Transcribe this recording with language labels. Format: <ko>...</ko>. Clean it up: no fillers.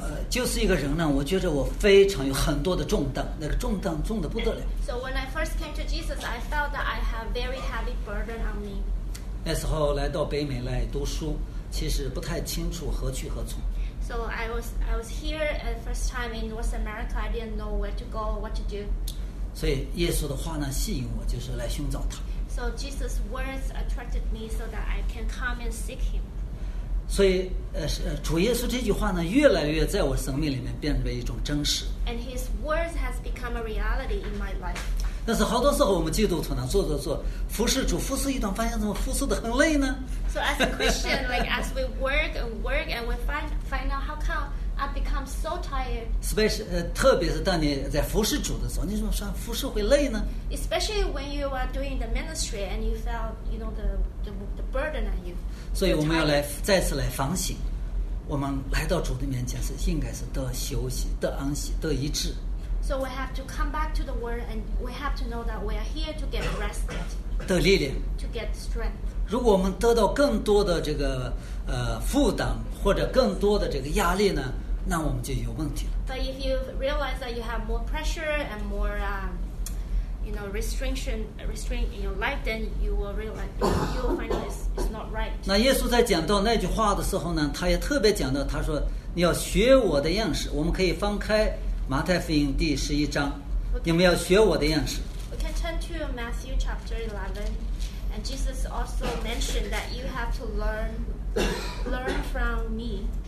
<zh>就是一个人呢，我觉得我非常有很多的重担，那个重担重得不得了。</zh> <en>So when I first came to Jesus, I felt that I have very heavy burden on me.</en> <zh>那时候来到北美来读书，其实不太清楚何去何从。</zh> <en>So I was here at first time in North America. I didn't know where to go or what to do.</en> <zh>所以耶稣的话呢，吸引我，就是来寻找他。</zh> <en>So Jesus' words attracted me so that I can come and seek him.</en> <zh>所以主耶稣这句话呢，越来越在我生命里面变成一种真实。</zh> <en>And his words has become a reality in my life.</en> <zh>但是好多时候我们基督徒呢，做服侍主，服侍一段，发现怎么服侍得很累呢？</zh> <en>So as a Christian, like as we work and we find out how come I become so tired. Especially,</en> <zh>特别是当你在服侍主的时候，你怎么说服侍会累呢</zh> <en>？Especially when you are doing the ministry and you felt, you know, the burden on you.</en> <zh>所以我们要来再次来反省，我们来到主的面前是应该是得休息、得安息、得医治。</zh> <en>So we have to come back to the word and we have to know that we are here to get rested.</en> <zh>得力量。</zh> <en>To get strength.</en> <zh>如果我们得到更多的这个负担或者更多的这个压力呢，那我们就有问题了。</zh> <en>But if you realize that you have more pressure and more, you know, restraint in your life, then you will realize you will find it's not right.</en> <zh>那耶稣在讲到那句话的时候呢，他也特别讲到，他说你要学我的样式。我们可以翻开马太福音第十一章，你们要学我的样式。</zh> <en>We can turn to Matthew chapter 11, and Jesus also mentioned that you have to learn from me.</en>